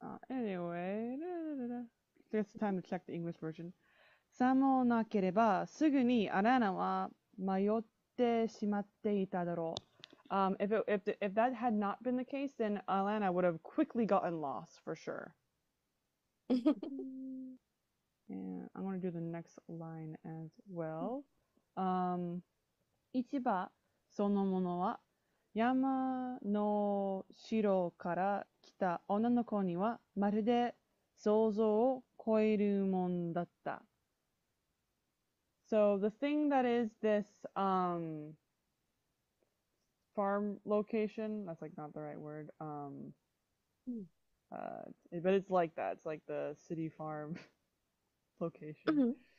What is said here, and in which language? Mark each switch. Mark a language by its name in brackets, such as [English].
[English] Anyway, it's time to check the English version. [Japanese] さもなければすぐにアランナは迷ってしまっていただろう。 [English] If that had not been the case, then Alanna would have quickly gotten lost for sure. And I'm gonna do the next line as well. [Japanese] 市場そのものは山の城から来た女の子にはまるで想像を超えるもんだった。 [English] So the thing that is this farm location, that's like not the right word, but it's like that. It's like the city farm location.